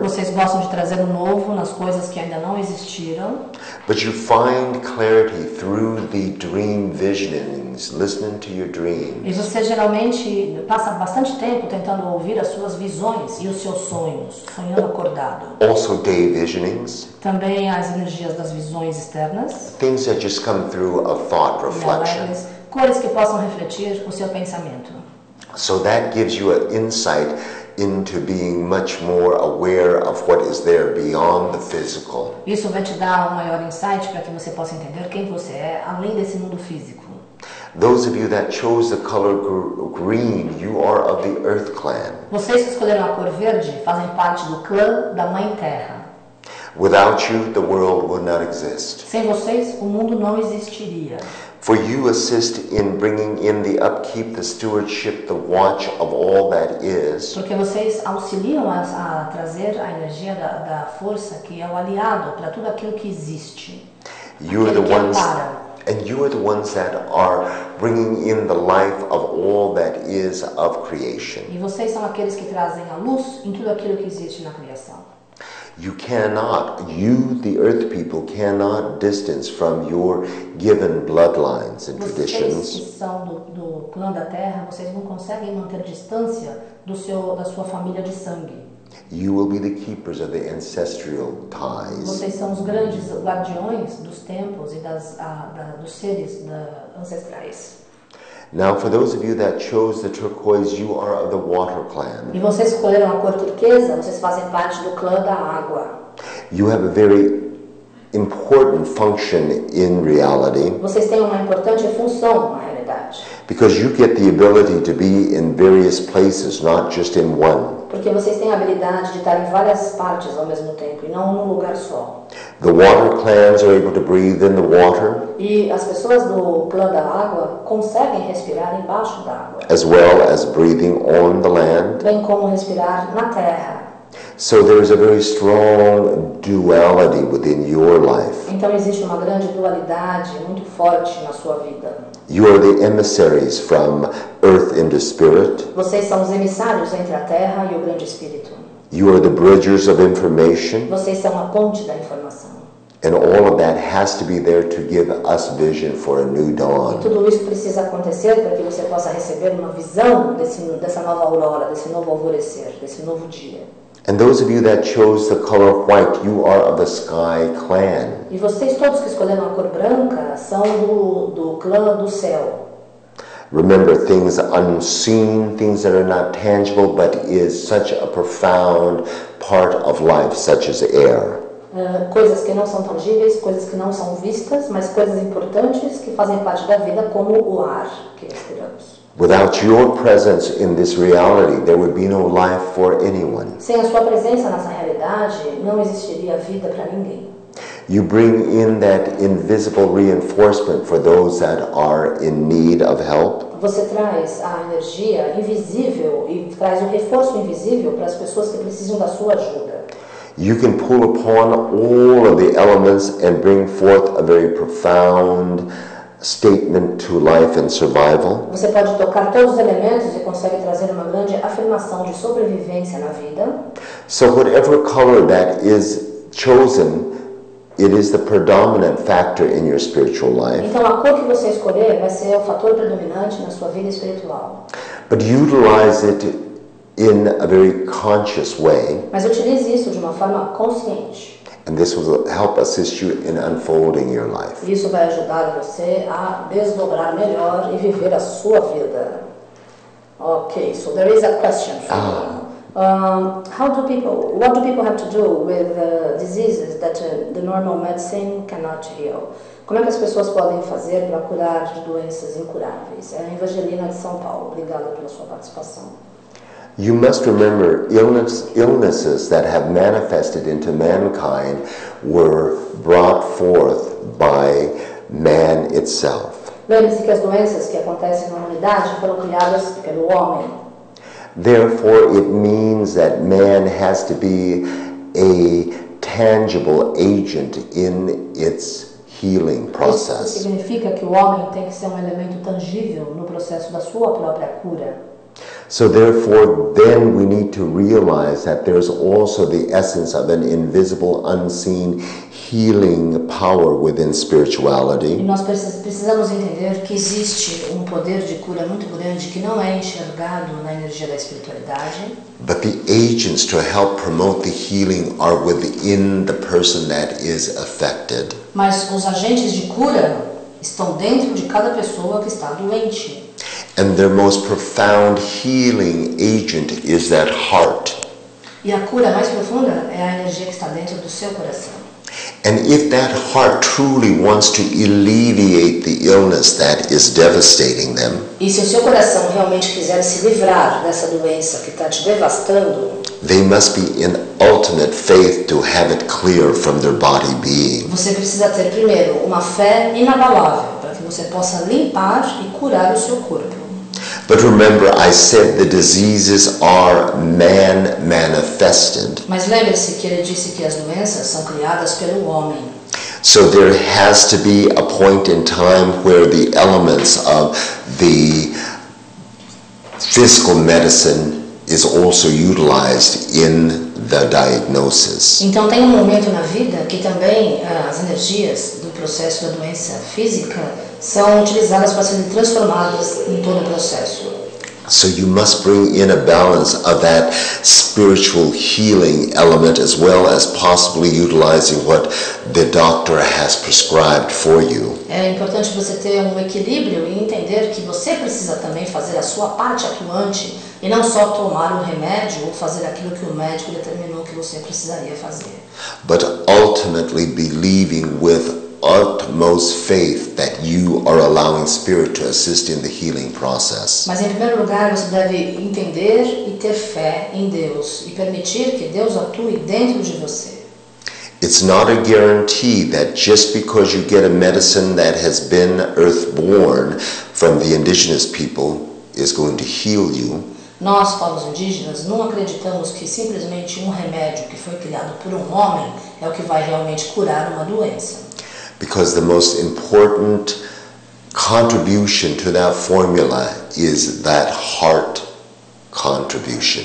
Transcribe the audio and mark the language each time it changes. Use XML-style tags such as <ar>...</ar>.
<pt>Vocês gostam de trazer o novo nas coisas que ainda não existiram.</pt> <en>But you find clarity through the dream visionings, listening to your dreams.</en> <pt>E você geralmente passa bastante tempo tentando ouvir as suas visões e os seus sonhos, sonhando acordado.</pt> <en>Also day visionings.</en> <pt>Também as energias das visões externas.</pt> <en>Things that just come through a thought reflection.</en> <pt>Cores que possam refletir o seu pensamento.</pt> <en>So that gives you an insight into being much more aware of what is there beyond the physical.</en> <pt>Isso vai te dar um maior insight para que você possa entender quem você é além desse mundo físico.</pt> <en>Those of you that chose the color green, you are of the Earth clan.</en> <pt>Vocês que escolheram a cor verde fazem parte do clã da Mãe Terra.</pt> <en>Without you, the world would not exist.</en> <pt>Sem vocês, o mundo não existiria.</pt> <en>For you assist in bringing in the upkeep, the stewardship, the watch of all that is.</en> <pt>Porque vocês auxiliam a trazer a energia da força que é o aliado para tudo aquilo que existe.</pt> <en>You are the ones, and you are the ones that are bringing in the life of all that is of creation.</en> <pt>E vocês são aqueles que trazem a luz em tudo aquilo que existe na criação.</pt> <en>You cannot, you the earth people, cannot distance from your given bloodlines and traditions.</en> <pt>Vocês que são do clã da terra, vocês não conseguem manter distância da sua família de sangue.</pt> <en>You will be the keepers of the ancestral ties.</en> <pt>Vocês são os grandes guardiões dos tempos e dos seres ancestrais.</pt> <en>Now, for those of you that chose the turquoise, you are of the water clan.</en> <pt>E vocês escolheram a cor turquesa, vocês fazem parte do clã da água.</pt> <en>You have a very important function in reality.</en> <pt>Vocês têm uma importante função na realidade.</pt> <en>Because you get the ability to be in various places, not just in one.</en> <pt>Porque vocês têm a habilidade de estar em várias partes ao mesmo tempo e não num lugar só.</pt> <en>The water clans are able to breathe in the water.</en> <pt>E as pessoas do clã da água conseguem respirar embaixo da água.</pt> <en>As well as breathing on the land.</en> <pt>Bem como respirar na terra.</pt> <en>So there is a very strong duality within your life.</en> <pt>Então existe uma grande dualidade muito forte na sua vida.</pt> <en>You are the emissaries from earth into spirit.</en> <pt>Vocês são os emissários entre a terra e o grande espírito.</pt> <en>You are the bridges of information.</en> <pt>Vocês são a ponte da informação.</pt> <en>And all of that has to be there to give us vision for a new dawn.</en> <pt>E tudo isso precisa acontecer para que você possa receber uma visão dessa nova aurora, desse novo alvorecer, desse novo dia.</pt> <en>And those of you that chose the color white, you are of the sky clan.</en> <pt>E vocês todos que escolheram a cor branca são do clã do céu.</pt> <en>Remember things unseen, things that are not tangible, but is such a profound part of life, such as air.</en> <pt>Coisas que não são tangíveis, coisas que não são vistas, mas coisas importantes que fazem parte da vida, como o ar que respiramos.</pt> <en>Without your presence in this reality, there would be no life for anyone.</en> <pt>Sem a sua presença nessa realidade, não existiria vida para ninguém.</pt> <en>You bring in that invisible reinforcement for those that are in need of help.</en> <pt>Você traz a energia invisível e traz o reforço invisível para as pessoas que precisam da sua ajuda.</pt> <en>You can pull upon all of the elements and bring forth a very profound statement to life and survival.</en> <pt>Você pode tocar todos os elementos e consegue trazer uma grande afirmação de sobrevivência na vida.</pt> <en>So whatever color that is chosen, it is the predominant factor in your spiritual life.</en> <pt>Então a cor que você escolher vai ser o fator predominante na sua vida espiritual.</pt> <en>But utilize it in a very conscious way.</en> <pt>Mas utilize isso de uma forma consciente.</pt> <en>And this will help assist you in unfolding your life.</en> <pt>Isso vai ajudar você a desdobrar melhor e viver a sua vida.</pt> <en>Okay, so there is a question for you. What do people have to do with diseases that the normal medicine cannot heal?</en> <pt>Como é que as pessoas podem fazer para curar de doenças incuráveis? É a Evangelina de São Paulo. Obrigada pela sua participação.</pt> <en>You must remember illnesses that have manifested into mankind were brought forth by man itself.</en> <pt>Lembre-se que as doenças que acontecem na humanidade foram criadas pelo homem.</pt> <en>Therefore, it means that man has to be a tangible agent in its healing process.</en> <pt>Isso significa que o homem tem que ser um elemento tangível no processo da sua própria cura.</pt> <en>So therefore, then we need to realize that there's also the essence of an invisible, unseen healing power within spirituality.</en> <pt>E nós precisamos entender que existe um poder de cura muito grande que não é enxergado na energia da espiritualidade.</pt> <en>But the agents to help promote the healing are within the person that is affected.</en> <pt>Mas os agentes de cura estão dentro de cada pessoa que está doente.</pt> <en>And their most profound healing agent is that heart.</en> <pt>E a cura mais profunda é a energia que está dentro do seu coração.</pt> <en>And if that heart truly wants to alleviate the illness that is devastating them,</en> <pt>e se o seu coração realmente quiser se livrar dessa doença que está te devastando,</pt> <en>they must be in ultimate faith to have it clear from their body being.</en> <pt>Você precisa ter primeiro uma fé inabalável para que você possa limpar e curar o seu corpo.</pt> <en>But remember, I said the diseases are man-manifested.</en> <pt>Mas lembre-se que ele disse que as doenças são criadas pelo homem.</pt> <en>So there has to be a point in time where the elements of the physical medicine is also utilized in the diagnosis.</en> <pt>Então tem um momento na vida que também as energias do processo da doença física são utilizadas para serem transformadas em todo o processo.</pt> <en>So you must bring in a balance of that spiritual healing element as well as possibly utilizing what the doctor has prescribed for you.</en> <pt>É importante você ter um equilíbrio e entender que você precisa também fazer a sua parte atuante e não só tomar um remédio ou fazer aquilo que o médico determinou que você precisaria fazer.</pt> <en>But ultimately believing with utmost faith that you are allowing spirit to assist in the healing process.</en> <pt>Mas em primeiro lugar, você deve entender e ter fé em Deus e permitir que Deus atue dentro de você.</pt> <en>It's not a guarantee that just because you get a medicine that has been earth-born from the indigenous people is going to heal you.</en> <pt>Nós, povos indígenas, não acreditamos que simplesmente um remédio que foi criado por um homem é o que vai realmente curar uma doença.</pt> <en>Because the most important contribution to that formula is that heart contribution.</en>